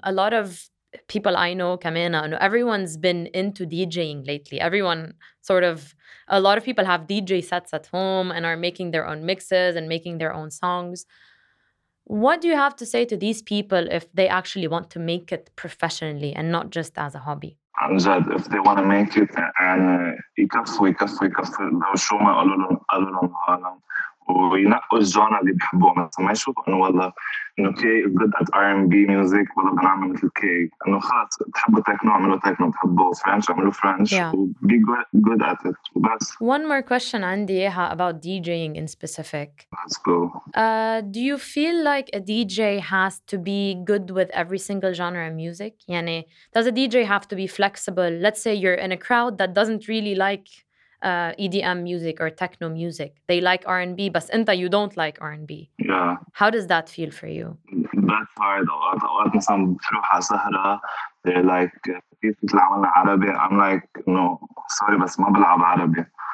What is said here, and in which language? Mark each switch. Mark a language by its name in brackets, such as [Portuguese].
[English] A lot of people I know, كمان, you know, everyone's been into DJing lately. Everyone sort of. A lot of people have DJ sets at home and are making their own mixes and making their own songs. What do you have to say to these people if they actually want to make it professionally and not just as a hobby? [Arabic] عن جد, [English] if they want to make it, [Arabic] and يكفوا, لو شو ما قالوا لهم العالم, وينقوا الجانر اللي بحبوه, مثلا ما يشوفوا انه والله, انه كي [English] is good at R&B music, [Arabic] والله بنعمل مثل كي, انه خلاص, تحبوا تكنو, عملوا تكنو, تحبوا فرنش, عملوا فرنش, وبي [English] good at it, [Arabic] بس. [English] One more question [Arabic] عندي إياها [English] about DJing in specific. Let's go. Do you feel like a DJ has to be good with every single genre of music? يعني, does a DJ have to be flexible? Let's say you're in a crowd that doesn't really like EDM music or techno music. They like R&B, but انت, you don't like R&B. Yeah. How does that feel for you? That's hard. [Arabic] أوقات مثلاً بتروح على سهرة, [English] they're like, [Arabic] كيف تلعبنا عربي؟ [English] I'm like, no, sorry, [Arabic] بس ما بلعب عربي.